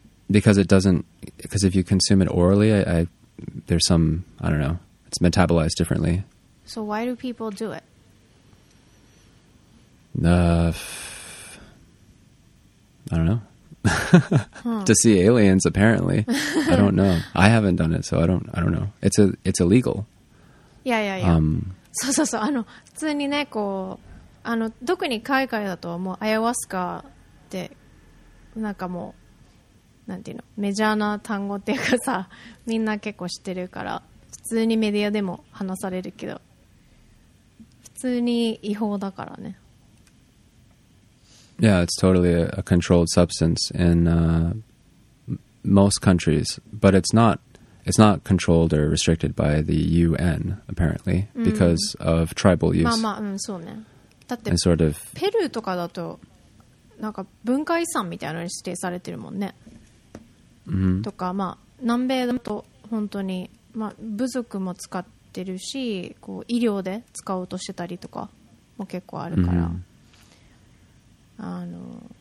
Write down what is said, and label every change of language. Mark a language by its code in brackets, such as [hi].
[en] Because it doesn't, because if you consume it orally, I there's some, I don't know, it's metabolized differently. So why do people do it? I don't know. huh. To see aliens, apparently. I don't know. I haven't done it, so I don't know. It's illegal. Yeah, yeah, yeah. [ja] そうそうそう。あの、普通にね、こう、あの、特に海外だともうアヤワスカってなんかもうなんていうの、メジャーな単語っていうかさ、みんな結構知ってるから普通にメディアでも話されるけど、普通に違法だからね。 [en] Yeah, it's totally a controlled substance in most countries, but it's not controlled or restricted by the UN, apparently,、mm. because of tribal use. [ja] まあまあ、うん、そうね。だって、 [en] and sort of, [ja] ペルーとかだと、なんか文化遺産みたいなのに指定されてるもんね。 Mm-hmm. とか、まあ、南米だと本当にまあ、部族も使ってるし、こう医療で使おうとしてたりとかも結構あるから、mm-hmm.